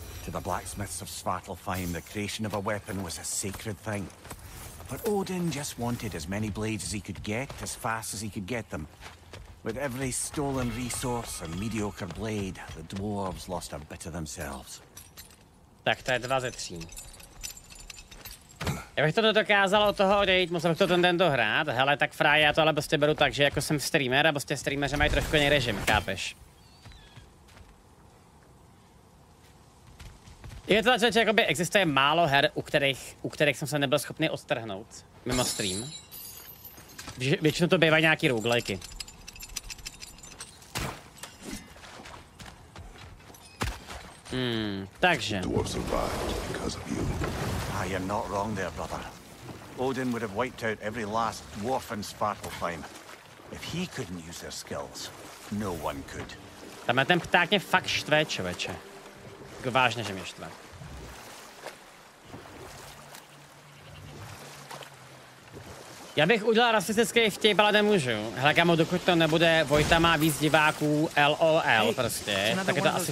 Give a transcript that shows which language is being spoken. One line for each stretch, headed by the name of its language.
English: To the blacksmiths of Svartalfheim, the creation of a weapon was a sacred thing. But Odin just wanted as many blades as he could get, as fast as he could get them. With every stolen resource and mediocre blade, the dwarves lost a bit of themselves.
Czech: Tak to je 2 ze 3. Já bych to dokázal od toho odejít, musel bych to ten den dohrát. Hele, tak fráj, já to ale prostě beru tak, že jako jsem streamer a prostě streameři mají trošku jiný režim, chápeš? Je to tak, že jakoby existuje málo her, u kterých jsem se nebyl schopný odtrhnout mimo stream. Většinou to bývají nějaký roguelike. Takže.
English: Dwarves survived because of you. Ah, you're not wrong there, brother. Odin would have wiped out every last dwarf in Svartalfheim. If he couldn't use their skills, no one could.
Czech: Tam ten pták mě fakt štve, čověče. Jako vážně, že mě štve. Já bych udělal rasistický vtip, ale nemůžu. Hele, kamo, dokud to nebude, Vojta má víc diváků, LOL, hey, prostě, tak je to asi